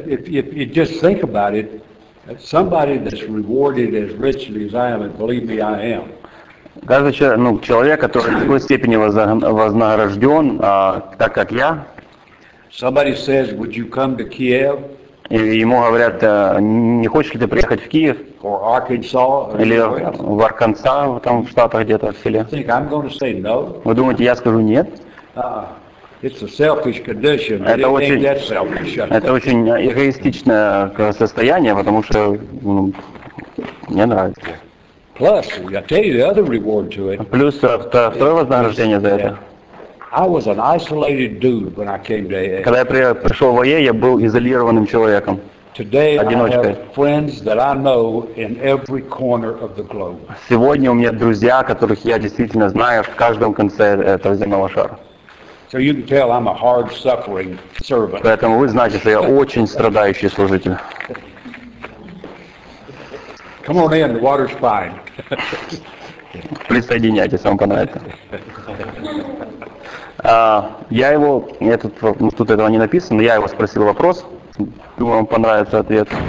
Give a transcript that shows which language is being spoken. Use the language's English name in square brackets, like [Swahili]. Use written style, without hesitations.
[English] If you just think about it, somebody that's rewarded as richly as I am, and believe me, I am. [Russian] Каждый человек, человек, который в такой степени вознагражден, так как я. [English] Somebody says, "Would you come to Kiev?" [Russian] И ему говорят, не хочешь ли ты приехать в Киев? [English] Or Arkansas? [Russian] Или в Арканзас, там в штатах где-то в селе? [English] Think I'm going to say no? [Russian] Вы думаете, я скажу нет? [English] It's a selfish condition. [Russian] Это очень эгоистичное состояние, потому что мне нравится. [English] Plus, I tell you the other reward to it. [Russian] Плюс второе вознаграждение за это. [English] I was an isolated dude when I came to AA. [Russian] Когда я пришел в АА, я был изолированным человеком, [English] Today [Russian] одиночкой. [English] I have friends that I know in every corner of the globe. [Russian] Сегодня у меня друзья, которых я действительно знаю в каждом конце этого земного шара. [English] So you can tell I'm a hard suffering servant. [Russian] Поэтому вы знаете, что я очень страдающий служитель. [English] Come on in, the water's fine. [Russian] Присоединяйтесь, вам понравится. Я его, тут этого не написано, но я его спросил вопрос, думаю, вам понравится ответ.